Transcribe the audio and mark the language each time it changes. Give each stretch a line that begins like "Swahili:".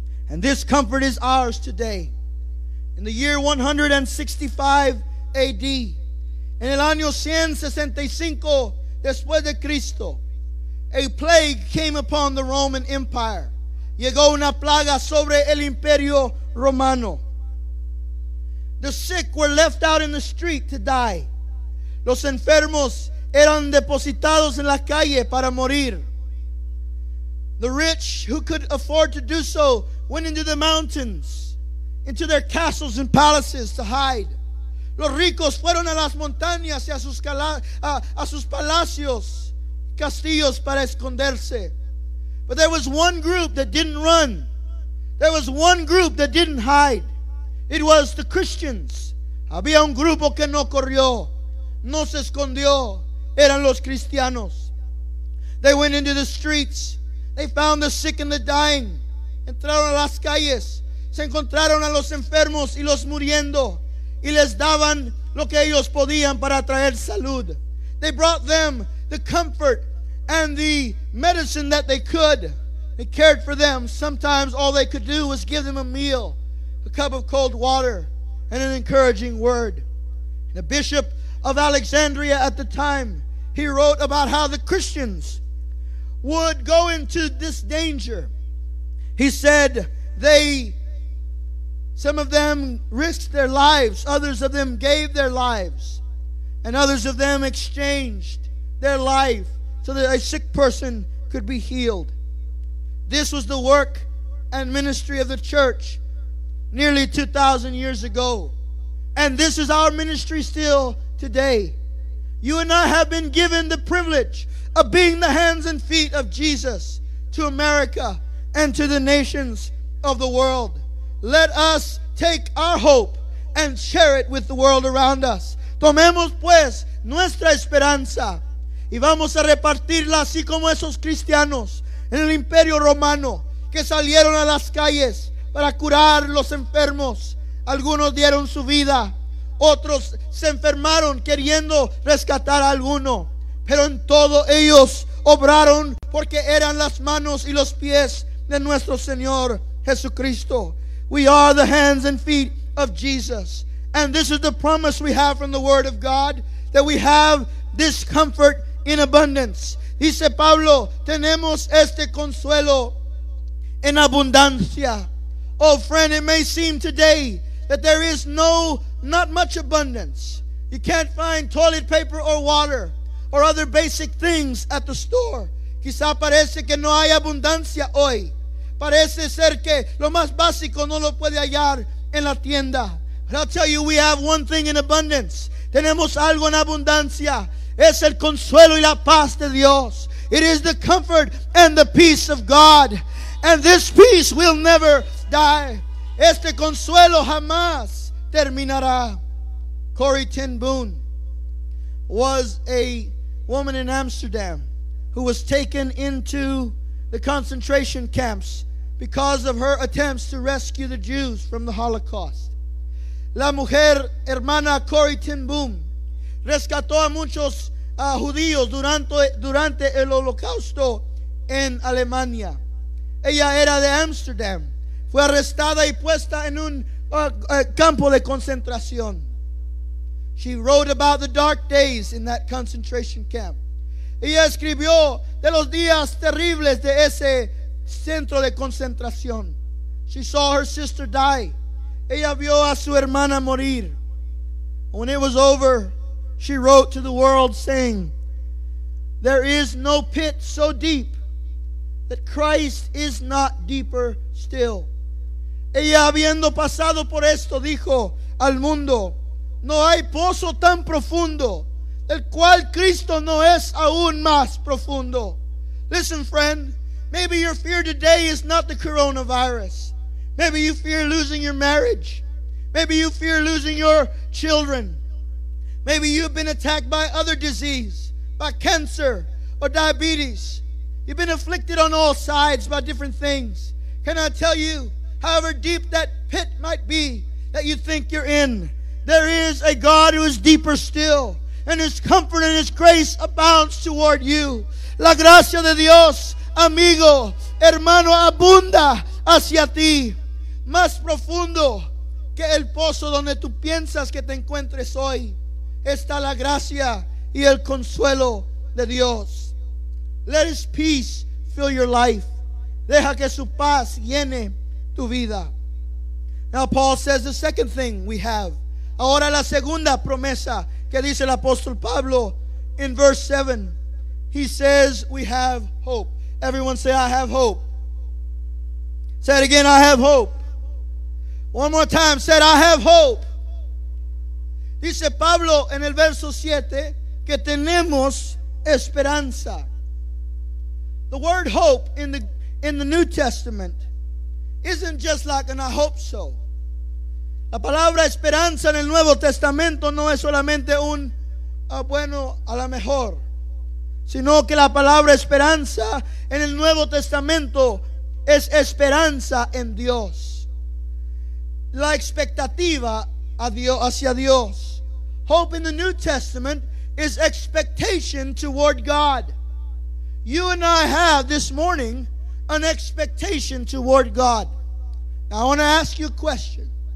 English: And this comfort is ours today. In the year 165 A.D.,
Spanish: en el año 165 después de Cristo,
English: a plague came upon the Roman Empire.
Spanish: Llegó una plaga sobre el Imperio Romano.
English: The sick were left out in the street to die.
Spanish: Los enfermos eran depositados en la calle para morir.
English: The rich, who could afford to do so, went into the mountains, into their castles and palaces to hide.
Spanish: Los ricos fueron a las montañas y a sus palacios, castillos para esconderse.
English: But there was one group that didn't run. There was one group that didn't hide. It was the Christians.
Spanish: Había un grupo que no corrió, no se escondió. Eran los cristianos.
English: They went into the streets. They found the sick and the dying.
Spanish: Entraron a las calles. Se encontraron a los enfermos y los muriendo. Y les daban lo que ellos podían para traer salud.
English: They brought them the comfort and the medicine that they could. They cared for them. Sometimes all they could do was give them a meal, a cup of cold water, and an encouraging word. The bishop of Alexandria at the time, he wrote about how the Christians would go into this danger. He said some of them risked their lives. Others of them gave their lives. And others of them exchanged their life so that a sick person could be healed. This was the work and ministry of the church nearly 2,000 years ago. And this is our ministry still today. You and I have been given the privilege of being the hands and feet of Jesus to America and to the nations of the world. Let us take our hope and share it with the world around us.
Spanish: Tomemos pues nuestra esperanza y vamos a repartirla así como esos cristianos en el Imperio Romano que salieron a las calles para curar los enfermos. Algunos dieron su vida, otros se enfermaron queriendo rescatar a alguno, pero en todo ellos obraron porque eran las manos y los pies de nuestro Señor Jesucristo.
English: We are the hands and feet of Jesus. And this is the promise we have from the Word of God, that we have this comfort in abundance.
Spanish: Dice Pablo, tenemos este consuelo en abundancia.
English: Oh, friend, it may seem today that there is not much abundance. You can't find toilet paper or water or other basic things at the store.
Spanish: Quizá parece que no hay abundancia hoy. Parece ser que lo más básico no lo puede hallar en la tienda.
English: But I'll tell you, we have one thing in abundance.
Spanish: Tenemos algo en abundancia. Es el consuelo y la paz de Dios.
English: It is the comfort and the peace of God. And this peace will never die.
Spanish: Este consuelo jamás terminará.
English: Corrie Ten Boom was a woman in Amsterdam who was taken into the concentration camps because of her attempts to rescue the Jews from the Holocaust.
Spanish: La mujer hermana Corrie Ten Boom rescató a muchos judíos durante el Holocausto en Alemania. Ella era de Amsterdam. Fue arrestada y puesta en un campo de concentración.
English: She wrote about the dark days in that concentration camp.
Spanish: Y escribió de los días terribles de ese centro de concentración.
English: She saw her sister die.
Spanish: Ella vio a su hermana morir.
English: When it was over, she wrote to the world saying, "There is no pit so deep that Christ is not deeper still."
Spanish: Ella habiendo pasado por esto dijo al mundo, "No hay pozo tan profundo el cual Cristo no es aún más profundo."
English: Listen, friend, maybe your fear today is not the coronavirus. Maybe you fear losing your marriage. Maybe you fear losing your children. Maybe you've been attacked by other disease, by cancer or diabetes. You've been afflicted on all sides by different things. Can I tell you, however deep that pit might be that you think you're in, there is a God who is deeper still, and His comfort and His grace abounds toward you.
Spanish: La gracia de Dios, amigo, hermano, abunda hacia ti. Más profundo que el pozo donde tú piensas que te encuentres hoy, está la gracia y el consuelo de Dios.
English: Let His peace fill your life.
Spanish: Deja que su paz llene tu vida.
English: Now Paul says the second thing we have.
Spanish: Ahora la segunda promesa que dice el apóstol Pablo
English: in verse 7. He says we have hope. Everyone say, "I have hope." Say it again, "I have hope." One more time, say, "I have hope."
Spanish: Dice Pablo en el verso 7 que tenemos esperanza.
English: The word hope in the New Testament isn't just like an "I hope so."
Spanish: La palabra esperanza en el Nuevo Testamento no es solamente un bueno, a lo mejor, sino que la palabra esperanza en el Nuevo Testamento es esperanza en Dios. La expectativa hacia Dios.
English: Hope in the New Testament is expectation toward God. You and I have this morning an expectation toward God. Now I want to ask you a question.